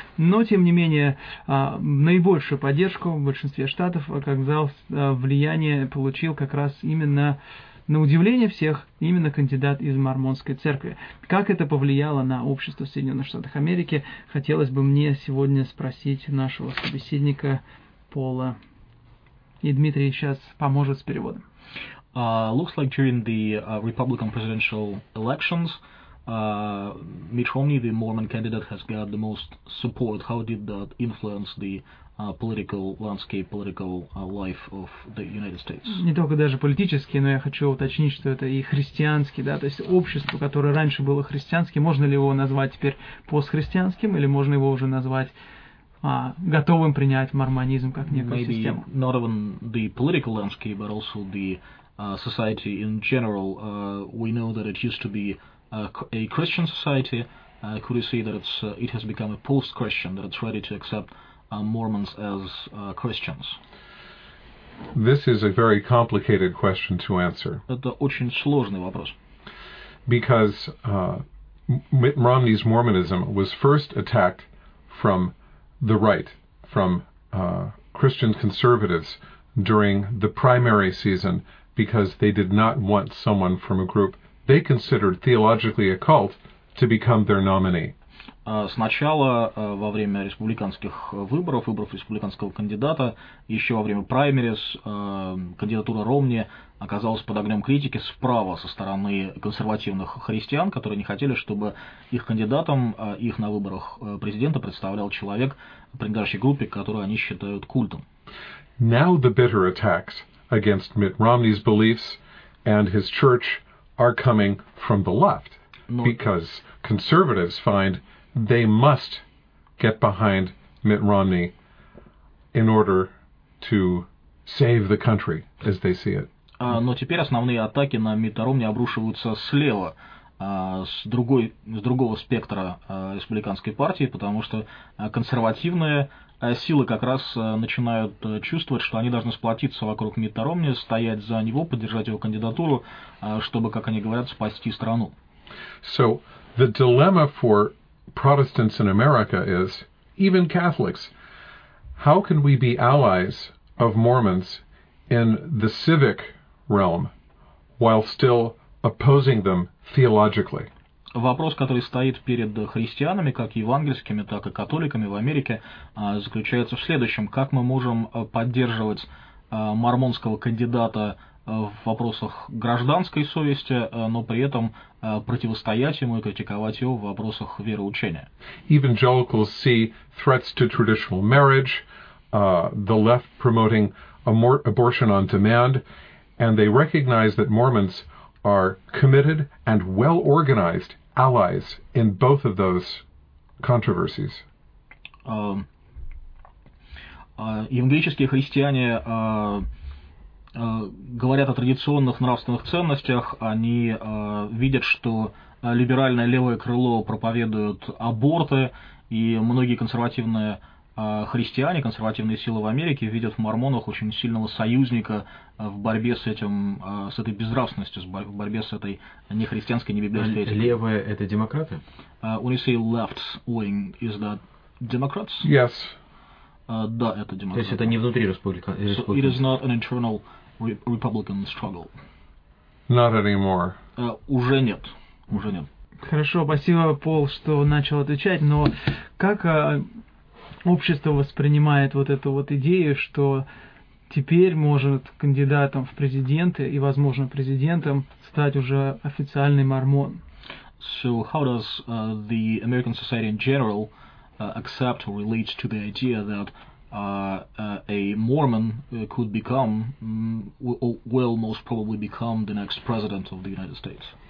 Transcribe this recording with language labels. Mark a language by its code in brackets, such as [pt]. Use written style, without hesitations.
[ru] Но, тем не менее, наибольшую поддержку в большинстве штатов оказал влияние, получил как раз именно, на удивление всех, именно кандидат из мормонской церкви. Как это повлияло на общество в Соединенных Штатах Америки, хотелось бы мне сегодня спросить нашего собеседника Пола. И Дмитрий сейчас поможет с переводом. [en] Looks like during the Republican presidential elections, Mitt Romney, the Mormon candidate, has got the most support. How did that influence the political landscape, political life of the United States? [ru] Не только даже политические, но я хочу уточнить, что это и христианский, да, то есть общество, которое раньше было христианским, можно ли его назвать теперь постхристианским, или можно его уже назвать готовым принять мормонизм как некую [en] Maybe [ru] систему? [en] Maybe not even the political landscape, but also the society in general. We know that it used to be a Christian society. Could you see that it's it has become a post-Christian, that it's ready to accept Mormons as Christians? This is a very complicated question to answer. [ru] Это очень сложный вопрос. [en] Because Mitt Romney's Mormonism was first attacked from the right, from Christian conservatives during the primary season, because they did not want someone from a group they considered theologically occult to become their nominee. [ru] Сначала во время республиканских выборов, выборов республиканского кандидата, еще во время праймерис, кандидатура Ромни оказалась под огнем критики справа со стороны консервативных христиан, которые не хотели, чтобы их кандидатом, их на выборах президента представлял человек, принадлежащий группе, которую они считают культом. [en] Now the bitter attacks against Mitt Romney's beliefs and his church are coming from the left, because conservatives find they must get behind Mitt Romney in order to save the country, as they see it. [ru] Но теперь основные атаки на Митта Ромни обрушиваются слева, с другого спектра республиканской партии, потому что консервативные силы как раз начинают чувствовать, что они должны сплотиться вокруг Митта Ромни, стоять за него, поддержать его кандидатуру, чтобы, как они говорят, спасти страну. [en] So the dilemma for Protestants in America is, even Catholics, how can we be allies of Mormons in the civic realm while still opposing them theologically? [ru] Вопрос, который стоит перед христианами, как евангельскими, так и католиками в Америке, заключается в следующем. Как мы можем поддерживать мормонского кандидата в вопросах гражданской совести, но при этом противостоять ему и критиковать его в вопросах вероучения? [en] Evangelicals see threats to traditional marriage, the left promoting abortion on demand, and they recognize that Mormons are committed and well-organized allies in both of those controversies. [ru] Евангелические христиане говорят о традиционных нравственных ценностях, они видят, что либеральное левое крыло проповедует аборты, и многие консервативные христиане, консервативные силы в Америке видят в мормонах очень сильного союзника в борьбе с этим, с этой безнравственностью, в борьбе с этой нехристианской, небиблейской этикой. Левые – это демократы? [en] When you say left wing, is that Democrats? Yes. [ru] Да, это демократы. То есть это не внутри республиканцев? [en] So it is not an internal republican struggle. Not anymore. [ru] Уже нет. Уже нет. Хорошо, спасибо, Пол, что начал отвечать, но как... Общество воспринимает вот эту вот идею, что теперь может кандидатом в президенты и, возможно, президентом стать уже официальный мормон. [en] So how does the American society in general accept or relate to the idea that a Mormon could become, will most probably become the next president of the United States?